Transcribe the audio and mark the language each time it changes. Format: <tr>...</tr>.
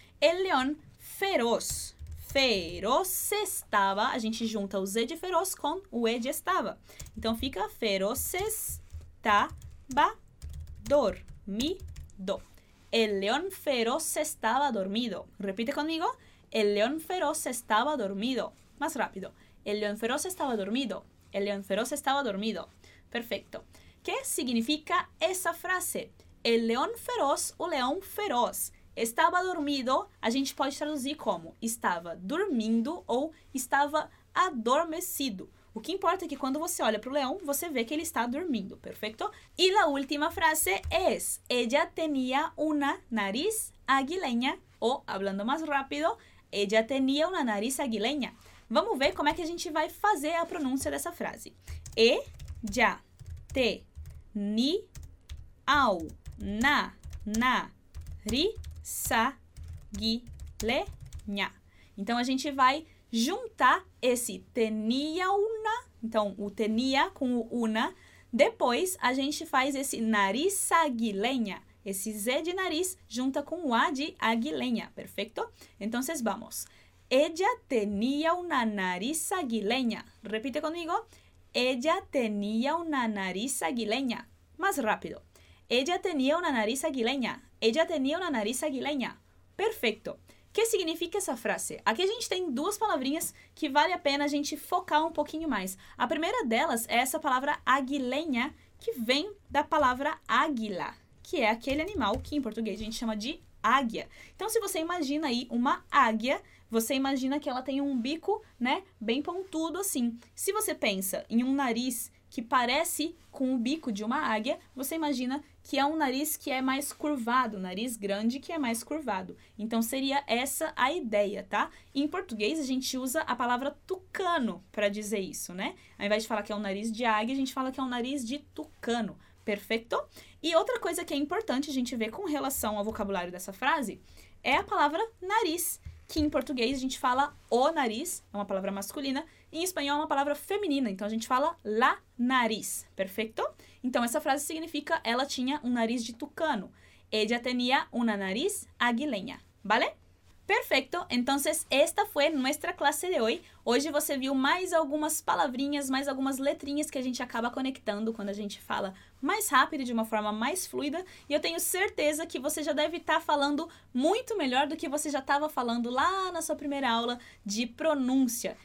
<es>El león feroz. Feroz estava.</es> <pt>A gente junta o Z de feroz com o E de estava. Então fica</pt> <es>feroz estava dormido. El león feroz estava dormido. Repite comigo. El león feroz estava dormido. Más rápido. El león feroz estaba dormido. El león feroz estaba dormido. Perfecto. ¿Qué significa esa frase? El león feroz,</es> <pt>o león feroz. Estava dormido, a gente pode traduzir como estava dormindo ou estava adormecido. O que importa é que quando você olha para o leão, você vê que ele está dormindo, perfeito? E a última frase é:</pt> <es>ella tenía una nariz aguileña. Ou, hablando</es> <pt>mais rápido,</pt> <es>ella tenía una nariz aguileña.</es> <pt>Vamos ver como é que a gente vai fazer a pronúncia dessa frase.</pt> <es>Ella tenía una nariz aguileña.</es> <pt>Então a gente vai juntar esse tenía una, então o tenía com o una, depois a gente faz esse nariz aguileña, esse Z de nariz junta com o A de aguileña, perfeito? Então vamos.</pt> <es>Ella tenía una nariz aguileña. Repite comigo. Ella tenía una nariz aguileña. Más rápido. Ella tenía una nariz aguileña. Ella tenía una nariz aguileña.</es> <pt>Perfeito. O que significa essa frase? Aqui a gente tem duas palavrinhas que vale a pena a gente focar um pouquinho mais. A primeira delas é essa palavra aguileña, que vem da palavra águila, que é aquele animal que em português a gente chama de águia. Então, se você imagina aí uma águia, você imagina que ela tem um bico, né, bem pontudo assim. Se você pensa em um nariz que parece com o bico de uma águia, você imagina que é um nariz que é mais curvado, nariz grande que é mais curvado. Então, seria essa a ideia, tá? Em português, a gente usa a palavra tucano para dizer isso, né? Ao invés de falar que é um nariz de águia, a gente fala que é um nariz de tucano. Perfeito? E outra coisa que é importante a gente ver com relação ao vocabulário dessa frase é a palavra nariz, que em português a gente fala o nariz, é uma palavra masculina, e em espanhol é uma palavra feminina, então a gente fala la nariz, perfeito? Então essa frase significa ela tinha um nariz de tucano.</pt> <es>Ella tenía una nariz aguileña, vale?</es> <pt>Perfeito, então esta foi</pt> <es>nuestra clase de hoy.</es> <pt>Hoje você viu mais algumas palavrinhas, mais algumas letrinhas que a gente acaba conectando quando a gente fala mais rápido, de uma forma mais fluida. E eu tenho certeza que você já deve estar falando muito melhor do que você já estava falando lá na sua primeira aula de pronúncia.</pt>